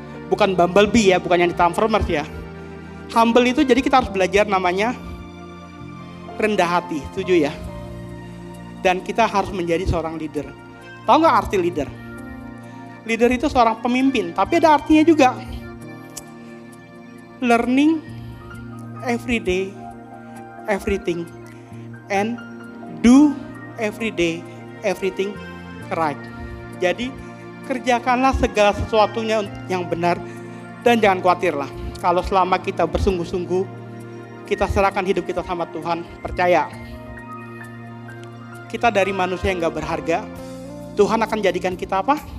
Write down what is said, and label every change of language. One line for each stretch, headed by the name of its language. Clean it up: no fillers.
Indonesian: Bukan bumblebee ya, bukan yang di Transformers ya. Humble itu, jadi kita harus belajar namanya rendah hati, setuju ya? Dan kita harus menjadi seorang leader. Tahu gak arti leader? Leader itu seorang pemimpin, tapi ada artinya juga.
English: Learning every day, everything, and do every day, everything right.
Indonesian: Jadi, kerjakanlah segala sesuatunya yang benar, dan jangan khawatirlah. Kalau selama kita bersungguh-sungguh, kita serahkan hidup kita sama Tuhan, percaya. Kita dari manusia yang gak berharga, Tuhan akan jadikan kita apa?